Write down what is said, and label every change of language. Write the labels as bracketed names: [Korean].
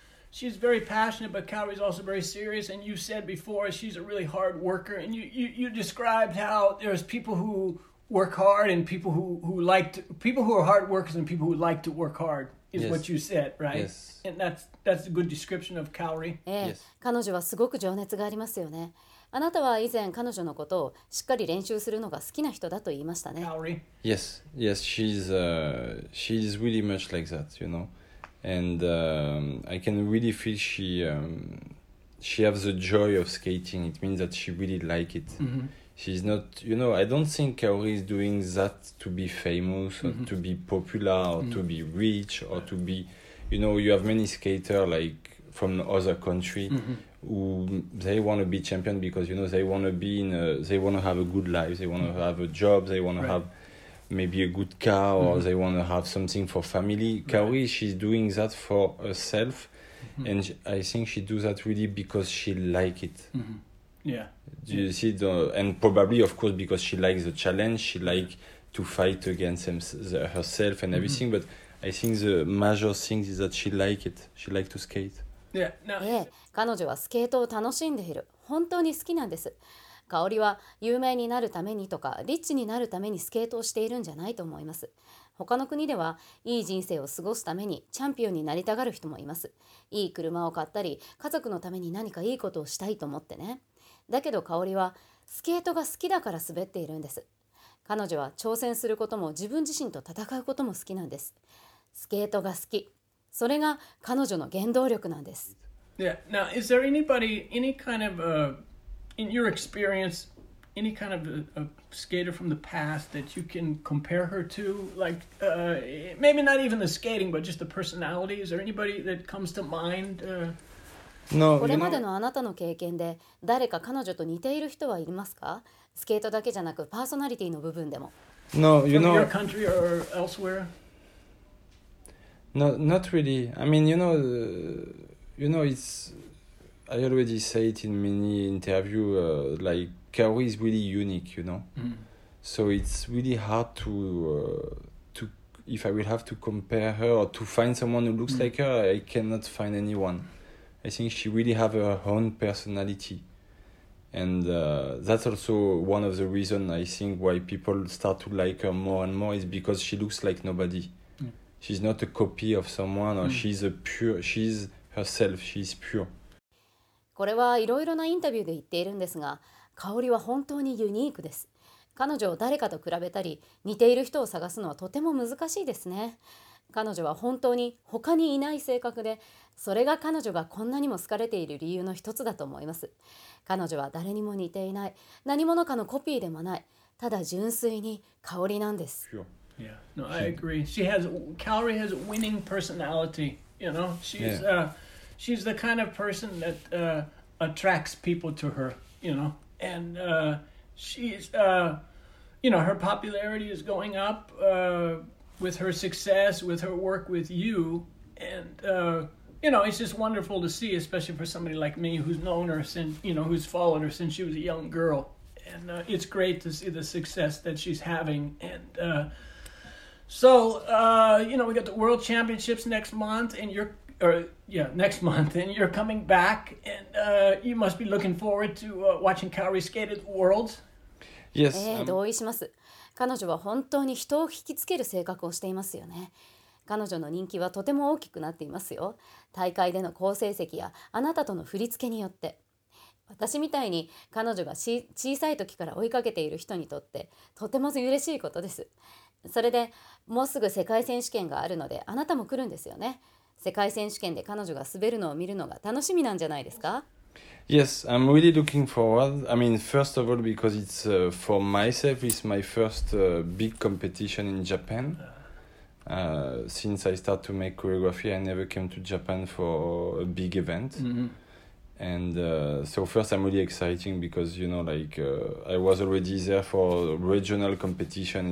[English] She's very passionate, but Calvary's also very serious. And you said before, she's a really hard worker. And you described how there's people who work hard and people who are hard workers and people who like to work hard, is what you said, right? Yes. And that's a good description of Calvary. Yes. [Japanese] 彼女はすごく情熱がありますよね。あなたは以前彼女のことをしっかり練習するのが好きな人だと言いましたね。 [English] Calvary. Yes. Yes. She's really much like that, you know. And I can really feel she has the joy of skating. It means that she really likes it. Mm-hmm. She's not, you know, I don't think Kaori is doing that to be famous or mm-hmm. to be popular or mm-hmm. to be rich or to be, you know, you have many skaters like from other country mm-hmm. who they want to be champion because, you know, they want to be in they want to have a good life. They want to have a job. They want to have... maybe a good car or mm-hmm. they want to have something for family. Kaori, she's doing that for herself. Mm-hmm. And I think she does that really because she likes it. Mm-hmm. Yeah. Do you see? And probably, of course, because she likes the challenge. She likes to fight against herself and everything. Mm-hmm. But I think the major thing is that she likes it. She likes to skate. Yeah. No. [Japanese] 彼女はスケートを楽しんでいる。本当に好きなんです。香織は有名になるためにとかリッチになるためにスケートをしているんじゃないと思います。他の国ではいい人生を過ごすためにチャンピオンになりたがる人もいます。いい車を買ったり家族のために何かいいことをしたいと思ってね。だけど香織はスケートが好きだから滑っているんです。彼女は挑戦することも自分自身と戦うことも好きなんです。スケートが好き、それが彼女の原動力なんです。 [English] Yeah. Now, is there anybody, any kind of In your experience, any kind of a skater from the past that you can compare her to? Like, maybe not even the skating, but just the personality. Is there anybody that comes to mind? No. [Japanese] これまでのあなたの経験で誰か彼女と似ている人はいますか？スケートだけじゃなくパーソナリティの部分でも。 [English] No, you know. From your country or elsewhere? No, not really. I mean, you know, it's... I already say it in many interviews, like Kaori is really unique, you know? Mm-hmm. So it's really hard to if I will have to compare her or to find someone who looks mm-hmm. like her, I cannot find anyone. I think she really has her own personality. And that's also one of the reasons I think why people start to like her more and more is because she looks like nobody. Mm-hmm. She's not a copy of someone or mm-hmm. she's herself, she's pure. [Japanese] これはいろいろなインタビューで言っているんですが、香織は本当にユニークです。彼女を誰かと比べたり、似ている人を探すのはとても難しいですね。彼女は本当に他にいない性格で、それが彼女がこんなにも好かれている理由の一つだと思います。彼女は誰にも似ていない、何者かのコピーでもない、ただ純粋に香織なんです。 [English] Sure. Yeah. No, I agree. She has, Calvary has a winning personality, you know? She's, She's the kind of person that attracts people to her, you know. And she's, you know, her popularity is going up with her success, with her work with you. And, you know, it's just wonderful to see, especially for somebody like me who's known her since, you know, who's followed her since she was a young girl. And it's great to see the success that she's having. And so, you know, we got the World Championships next month and next month, and you're coming back, and you must be looking forward to watching Kaori skate at the Worlds. Yes. [Japanese] 同意します。彼女は本当に人を引きつける性格をしていますよね。彼女の人気はとても大きくなっていますよ。大会での好成績やあなたとの振り付けによって。私みたいに彼女が小さい時から追いかけている人にとって、とても嬉しいことです。それで、もうすぐ世界選手権があるので、あなたも来るんですよね。世界選手権で彼女が滑るのを見るのが楽しみなんじゃないですか? [English] Yes, I'm really looking forward. I mean, first of all, because it's for myself, it's my first big competition in Japan. Since I started to make choreography, I never came to Japan for a big event. And so first, I'm really excited because, you know, like I was already there for regional competition.